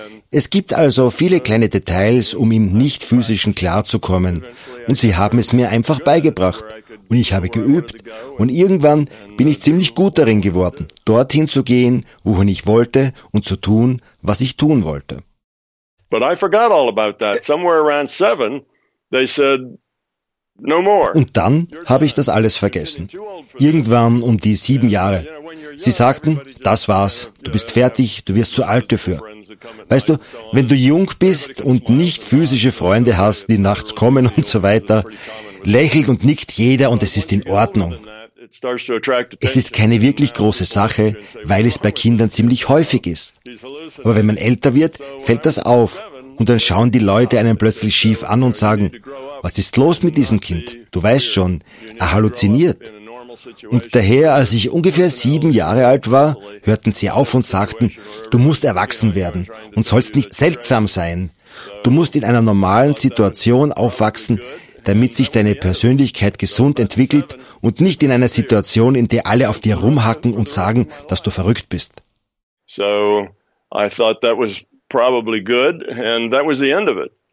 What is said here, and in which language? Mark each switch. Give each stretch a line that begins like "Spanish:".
German: Es gibt also viele kleine Details, um im Nicht-Physischen klarzukommen. Und sie haben es mir einfach beigebracht. Und ich habe geübt. Und irgendwann bin ich ziemlich gut darin geworden, dorthin zu gehen, wohin ich wollte und zu tun, was ich tun wollte.
English: But I forgot all about that. Somewhere around 7, they said,
German: Und dann habe ich das alles vergessen. Irgendwann um die 7 Jahre. Sie sagten, das war's, du bist fertig, du wirst zu alt dafür. Weißt du, wenn du jung bist und nicht physische Freunde hast, die nachts kommen und so weiter, lächelt und nickt jeder und es ist in Ordnung. Es ist keine wirklich große Sache, weil es bei Kindern ziemlich häufig ist. Aber wenn man älter wird, fällt das auf. Und dann schauen die Leute einen plötzlich schief an und sagen, was ist los mit diesem Kind? Du weißt schon, er halluziniert. Und daher, als ich ungefähr 7 Jahre alt war, hörten sie auf und sagten, du musst erwachsen werden und sollst nicht seltsam sein. Du musst in einer normalen Situation aufwachsen, damit sich deine Persönlichkeit gesund entwickelt und nicht in einer Situation, in der alle auf dir rumhacken und sagen, dass du verrückt bist.
English: So, I thought that was probably good, and that was the end of it.